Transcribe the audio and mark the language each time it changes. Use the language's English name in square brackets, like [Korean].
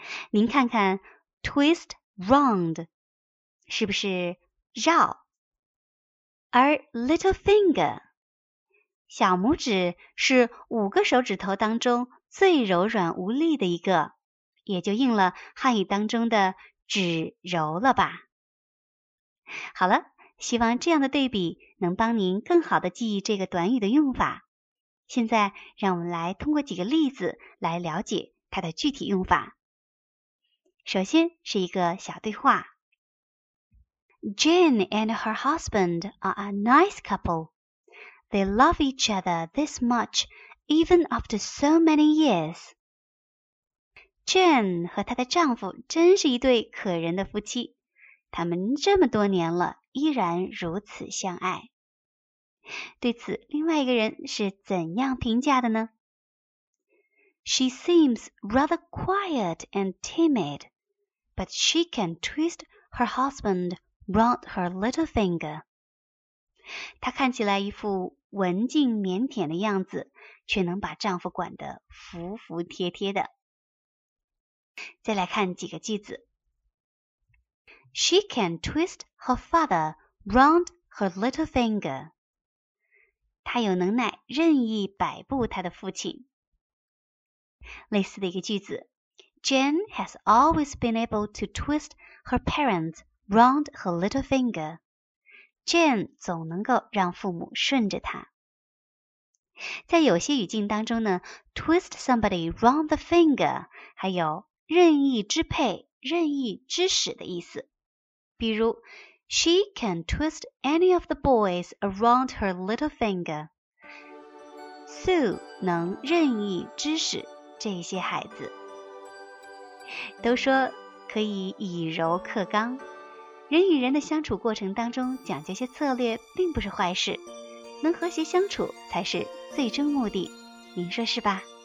[Chinese] 您看看 [English] twist round [Chinese] 是不是绕，而 [English] little finger [Chinese] 小拇指是五个手指头当中最柔软无力的一个，也就应了汉语当中的指柔了吧。好了，希望这样的对比能帮您更好地记忆这个短语的用法。现在让我们来通过几个例子来了解它的具体用法。首先是一个小对话。 [English] Jane and her husband are a nice couple. They love each other this much even after so many years. [Chinese] Jane 和她的丈夫真是一对可人的夫妻，他们这么多年了依然如此相爱。对此另外一个人是怎样评价的呢？ [English] She seems rather quiet and timid, but she can twist her husband round her little finger. [Chinese] 她看起来一副文静腼腆的样子，却能把丈夫管得服服帖帖的。再来看几个句子。 [English] She can twist her father round her little finger. [Chinese] 他有能耐任意摆布他的父亲。类似的一个句子， [English] Jane has always been able to twist her parents round her little finger. [Chinese] Jane 总能够让父母顺着他。在有些语境当中呢， [English] twist somebody round the finger [Chinese] 还有任意支配、任意指使的意思。比如 [English] She can twist any of the boys around her little finger. [Chinese] Sue 能任意指使这些孩子。都说可以以柔克刚，人与人的相处过程当中讲究些策略并不是坏事，能和谐相处才是最终目的，您说是吧？